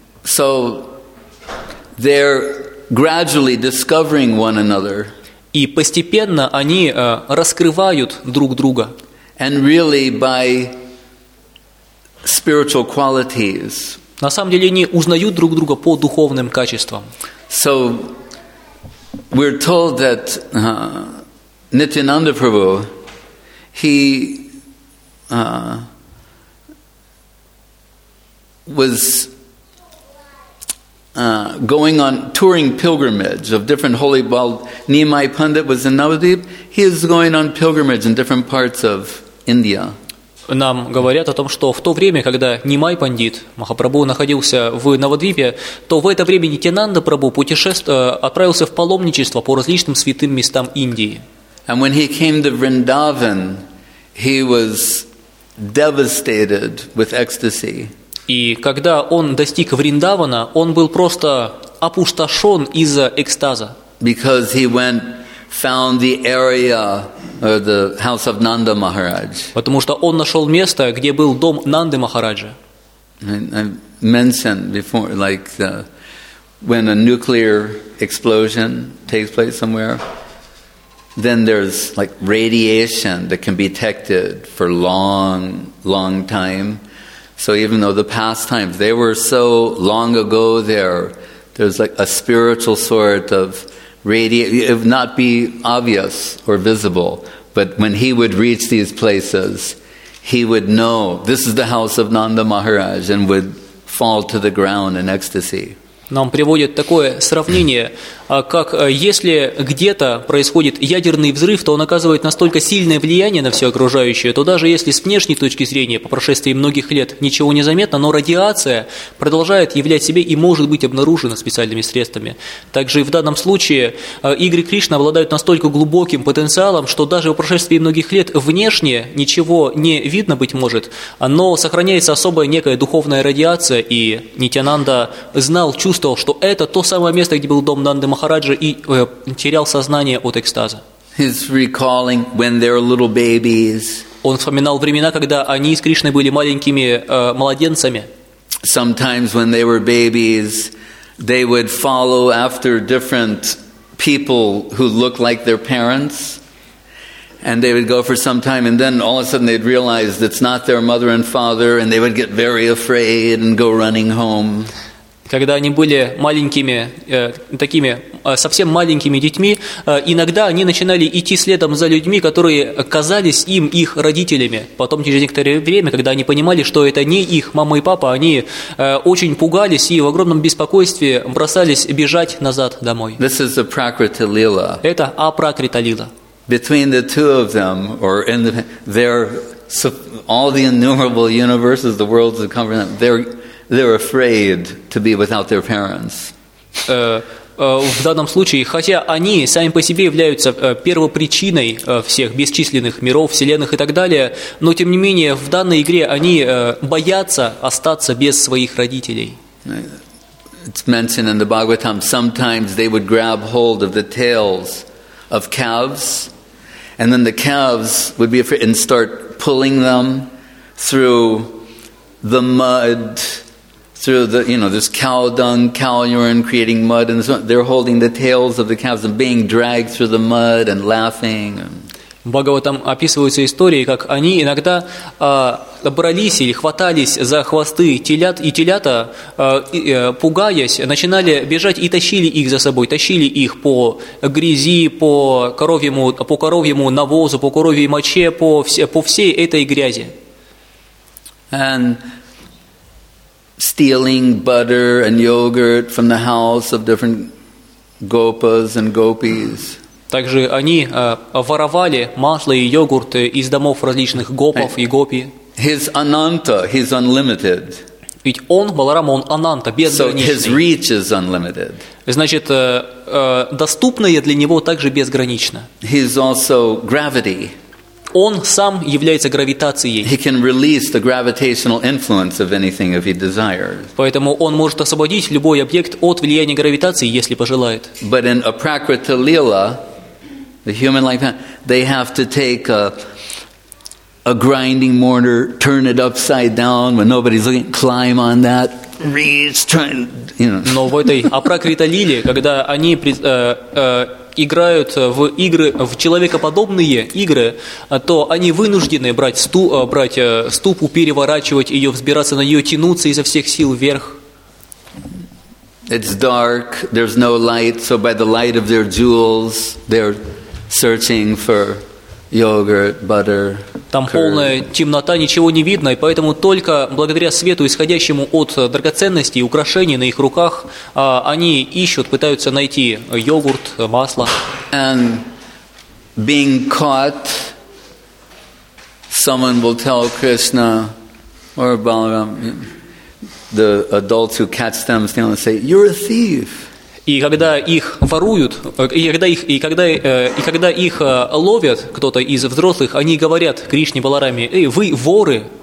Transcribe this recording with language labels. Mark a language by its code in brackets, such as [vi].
[en] So, they're gradually discovering one another. [ru] И постепенно они раскрывают друг друга. [en] And really by spiritual qualities. [ru] На самом деле они узнают друг друга по духовным качествам. [en] So we're told that Nityananda Prabhu, he was going on touring pilgrimage of different holy. While Nimai Pandit was in Navadvip, he is going on pilgrimage in different parts of India. [ru] Нам говорят о том, что в то время, когда Нимай Пандит Махапрабху находился в Навадвипе, то в это время Нитянанда Прабху отправился в паломничество по различным святым местам Индии. [en] And when he came to Vrindavan, he was devastated with ecstasy. [ru] И когда он достиг Вриндавана, он был просто опустошен из-за экстаза. [en] Because he went, found the area or the house of Nanda Maharaj. [ru] Потому что он нашел место, где был дом Нанды Махараджа. [en] I mentioned before, like when a nuclear explosion takes place somewhere, then there's like radiation that can be detected for long, long time. So even though the past times they were so long ago there, there's like a spiritual sort of radiation, if not be obvious or visible, but when he would reach these places, he would know this is the house of Nanda Maharaj and would fall to the ground in ecstasy. [ru] Нам приводит такое сравнение, как если где-то происходит ядерный взрыв, то он оказывает настолько сильное влияние на все окружающее, то даже если с внешней точки зрения, по прошествии многих лет, ничего не заметно, но радиация продолжает являть себя и может быть обнаружена специальными средствами. Также и в данном случае игры Кришны обладают настолько глубоким потенциалом, что даже по прошествии многих лет внешне ничего не видно быть может, но сохраняется особая некая духовная радиация, и Нитянанда знал, чувствовал, что это то самое место, где был дом Нанды Махараджа, и терял сознание от экстаза. [en] He's recalling when they're little babies. [ru] Он вспоминал времена, когда они с Кришной были маленькими младенцами. [en] Sometimes when they were babies, they would follow after different people who looked like their parents, and they would go for some time, and then all of a sudden they'd realize it's not their mother and father, and they would get very afraid and go running home. [ru] Когда они были маленькими, такими совсем маленькими детьми, иногда они начинали идти следом за людьми, которые казались им их родителями. Потом, через некоторое время, когда они понимали, что это не их мама и папа, они очень пугались и в огромном беспокойстве бросались бежать назад домой. [en] This is a Prakriti Lila. [ru] Это Апракрита Лила. [en] Between the two of them, or in their, all the innumerable universes, the worlds that come from them, they're afraid to be without their parents. [ru] В данном случае, хотя они сами по себе являются первопричиной всех бесчисленных миров, вселенных и так далее, но тем не менее в данной игре они боятся остаться без своих родителей. [en] It's mentioned in the Bhagavatam, sometimes they would grab hold of the tails of calves, and then the calves would be afraid and start pulling them through the mud, through the, you know, there's cow dung, cow urine creating mud, and so they're holding the tails of the calves and being dragged through the mud and laughing. [ru] В Бхагаватам описываются истории, как они иногда брались или хватались за хвосты телят, и телята, пугаясь, начинали бежать и тащили их за собой, тащили их по грязи, по коровьему навозу, по коровьей моче, по всей этой грязи. [en] And stealing butter and yogurt from the house of different gopas and gopis. [ru] Также они воровали масло и йогурт из домов различных гопов и гопи. [en] His ananta, he's unlimited. [ru] Ведь он, Баларама, он ананта, безграничный. [en] So his reach is unlimited. [ru] Значит, доступное для него также безгранично. [en] He's also gravity. [ru] Он сам является гравитацией. [en] He can release the gravitational influence of anything if he desires. [ru] Поэтому он может освободить любой объект от влияния гравитации, если пожелает. [en] But in Aprakriti Lila, the human life, they have to take a grinding mortar, turn it upside down when nobody's looking, climb on that, reach, turn, you know. [ru] Но в этой Апракрита Лиле, когда они играют в игры, в человекоподобные игры, то они вынуждены брать ступу, переворачивать ее, взбираться на нее, тянуться изо всех сил вверх. [en] It's dark, there's no light, so by the light of their jewels, they're searching for yogurt, butter. [ru] Там полная темнота, ничего не видно, и поэтому только благодаря свету, исходящему от драгоценностей, украшений на их руках, они ищут, пытаются найти йогурт, масло. [en] And being caught, someone will tell Krishna or Balaram, the adults who catch them, and say, "You're a thief." [ru] И когда их воруют, и когда их ловят кто-то из взрослых, они говорят Кришне Балараме: «Эй, вы воры!»